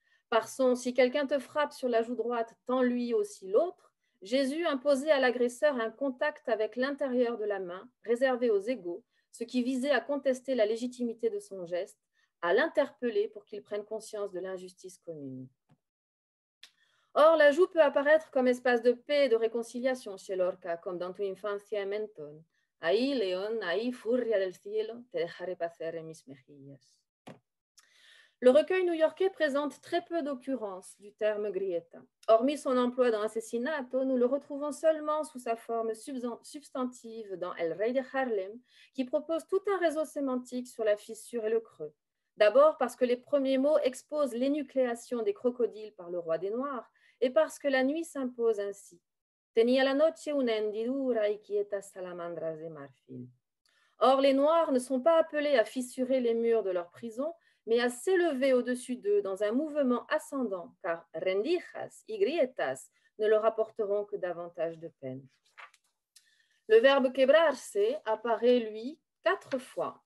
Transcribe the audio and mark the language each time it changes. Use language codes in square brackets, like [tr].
[fr] Par son « si quelqu'un te frappe sur la joue droite, tends-lui aussi l'autre », Jésus imposait à l'agresseur un contact avec l'intérieur de la main, réservé aux égaux, ce qui visait à contester la légitimité de son geste, à l'interpeller pour qu'il prenne conscience de l'injustice commune. Or, la joue peut apparaître comme espace de paix et de réconciliation chez Lorca, comme dans Tu infancia en Menton. [es] Ahí, León, ahí, furia del cielo, te dejaré pasar en mis mejillas. [fr] Le recueil new-yorkais présente très peu d'occurrences du terme grieta. Hormis son emploi dans Assassinato, nous le retrouvons seulement sous sa forme substantive dans El Rey de Harlem, qui propose tout un réseau sémantique sur la fissure et le creux. D'abord parce que les premiers mots exposent l'énucléation des crocodiles par le roi des Noirs, et parce que la nuit s'impose ainsi. [es] Tenía la noche una hendidura y quietas salamandras de marfil. [fr] Or, les Noirs ne sont pas appelés à fissurer les murs de leur prison, mais à s'élever au-dessus d'eux dans un mouvement ascendant, car [es] rendijas y grietas [fr] ne leur apporteront que davantage de peine. Le verbe quebrarse apparaît, lui, 4 fois.